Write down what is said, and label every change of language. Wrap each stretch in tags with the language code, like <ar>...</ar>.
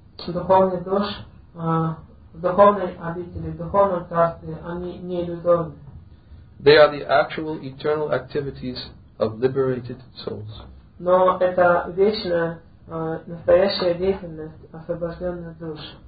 <ru>духовный душ в духовной обители, в духовном царстве, они не иллюзорны.</ru> <en>They are the actual eternal activities of liberated souls.</en> <ru>Но это вечная, настоящая деятельность освобожденных душ.</ru>